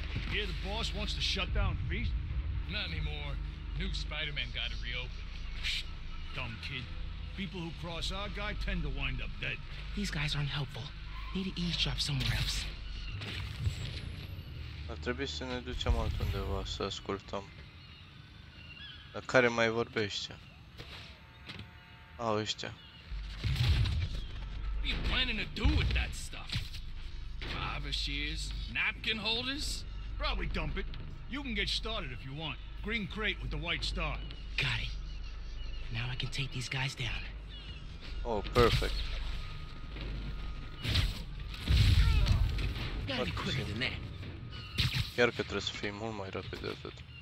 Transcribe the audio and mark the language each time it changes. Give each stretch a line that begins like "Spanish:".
English: Here, the boss wants to shut down Feast? Not anymore. New Spider-Man got it reopened. Dumb kid. People who cross our guy tend to wind up dead. These guys aren't helpful. Need to eavesdrop somewhere else.
Romanian: Ar trebui să ne ducem altundeva să ascultăm. La care mai vorbește? Au, ăștia.
English: What are you planning to do with that stuff? Barber shears? Napkin holders? Probably dump it. You can get started if you want. Green crate with the white star. Got it. Now I can take these guys down. Oh, perfect. Gotta be quicker than that.
Romanian: Chiar că trebuie să fii mult mai rapid de atât.